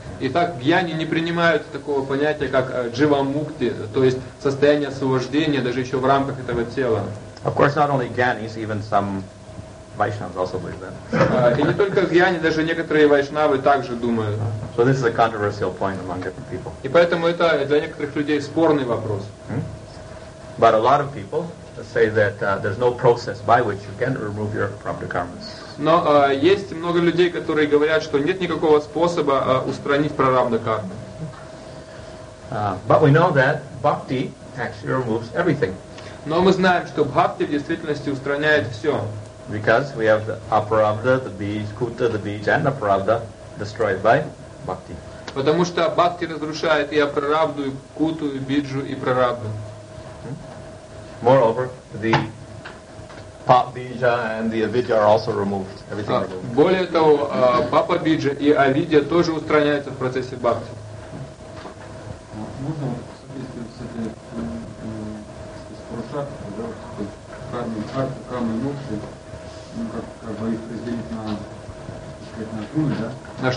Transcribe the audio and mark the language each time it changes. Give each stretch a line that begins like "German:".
Russian: Итак, гьяни не принимают такого понятия, как джива мукти, то есть состояние освобождения даже еще в рамках этого тела.
English: Of course, not only gyanis, even some Vaishnavas also believe that.
Russian: И не только гьяни, даже некоторые вайшнавы также думают.
English: So this is a controversial point among different people.
Russian: И поэтому это для некоторых людей спорный вопрос.
English: But a lot of people say that there's no process by which you can remove your prarabdha karmas.
Russian: Но есть много людей, которые говорят, что нет никакого способа устранить прарабдху карму.
English: But we know that bhakti actually removes everything.
Russian: Но мы знаем, что бхакти в действительности устраняет все.
English: Because we have the aparabdha, the bija, kuta, the bija, and aparabdha destroyed by bhakti.
Russian: Потому что бхакти разрушает и апарабдху, и куту, и биджу, и прарабдху.
English: Moreover, the Papa Bija and the Avidya are also removed. Everything removed.
Russian: Более того, Папа Биджа и Авидья тоже устраняются в процессе бхакти. Можно соответствовать с